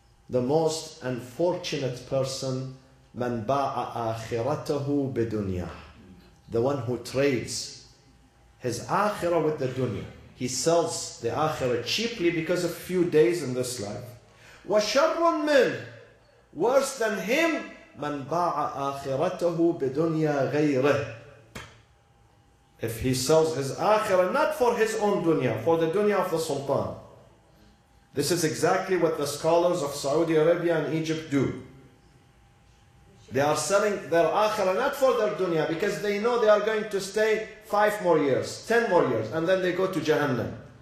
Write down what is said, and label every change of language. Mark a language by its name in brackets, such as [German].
[English] The most unfortunate person. [Arabic] مَنْ بَاعَ آخِرَتَهُ بِدُنْيَا. [English] The one who trades his akhirah with the dunya. He sells the akhirah cheaply because of a few days in this life. [Arabic] وَشَرٌ مِنْ. [English] Worse than him, [Arabic] مَنْ بَاعَ آخِرَتَهُ بِدُنْيَا غَيْرِهِ. [English] If he sells his akhirah, not for his own dunya, for the dunya of the sultan. This is exactly what the scholars of Saudi Arabia and Egypt do. They are selling their akhirah not for their dunya, because they know they are going to stay 5 more years, 10 more years, and then they go to Jahannam.